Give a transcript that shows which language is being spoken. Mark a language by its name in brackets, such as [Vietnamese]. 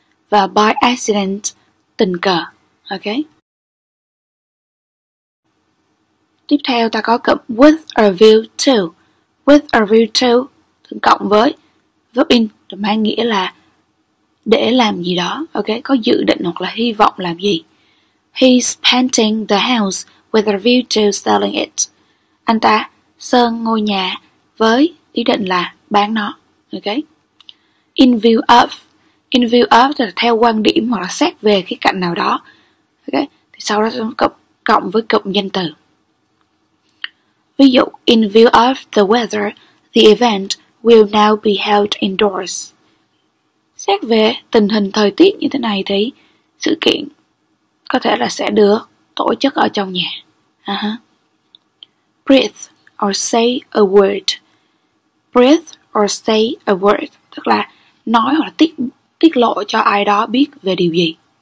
[Vietnamese] Và [English] by accident, [Vietnamese] tình cờ. Ok. Tiếp theo ta có cụm [English] with a view to. With a view to [Vietnamese] thường cộng với verb in mang nghĩa là để làm gì đó, ok, có dự định hoặc là hy vọng làm gì. [English] He's painting the house with a view to selling it. [Vietnamese] Anh ta sơn ngôi nhà với ý định là bán nó, ok. [English] In view of. In view of [Vietnamese] là theo quan điểm hoặc là xét về khía cạnh nào đó, ok. Thì sau đó cộng với cụm danh từ. Ví dụ, [English] in view of the weather, the event will now be held indoors. [Vietnamese] Xét về tình hình thời tiết như thế này thì sự kiện có thể là sẽ được tổ chức ở trong nhà. [English] Breathe or say a word. [Vietnamese] Breathe or say a word tức là nói hoặc là tiết lộ cho ai đó biết về điều gì.